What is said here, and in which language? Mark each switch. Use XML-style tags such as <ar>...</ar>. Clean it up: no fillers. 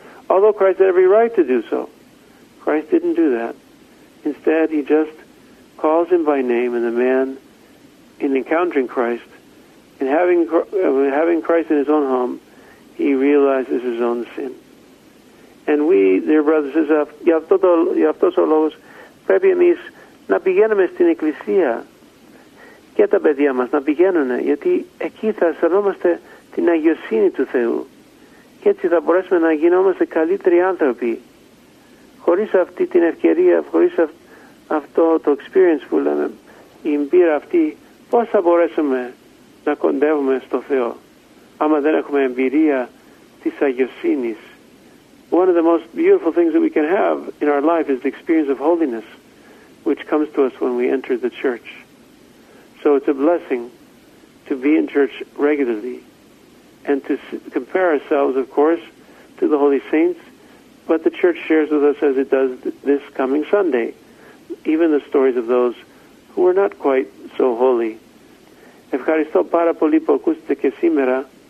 <en>Although Christ had every right to do so, Christ didn't do that. Instead, he just calls him by name, and the man, in encountering Christ, in having Christ in his own home, he realizes his own sin. And we, dear brothers and sisters,</en> <el>για αυτός ο λόγος πρέπει εμείς να πηγαίνουμε στην εκκλησία και τα παιδιά μας να πηγαίνουν, γιατί εκεί θα αισθανόμαστε την αγιοσύνη του Θεού και έτσι θα μπορέσουμε να γινόμαστε καλύτεροι άνθρωποι. Χωρίς αυτή την ευκαιρία, χωρίς αυτό το experience που λέμε, η εμπειρία αυτή, πώς θα μπορέσουμε να κοντεύουμε στο Θεό, άμα δεν έχουμε εμπειρία της αγιοσύνης.</el> <en>One of the most beautiful things that we can have in our life is the experience of holiness, which comes to us when we enter the church. So it's a blessing to be in church regularly and to compare ourselves, of course, to the holy saints, but the church shares with us as it does this coming Sunday, even the stories of those who are not quite so holy.</en> <el>Ευχαριστώ πάρα πολύ που ακούσατε και σήμερα.</el>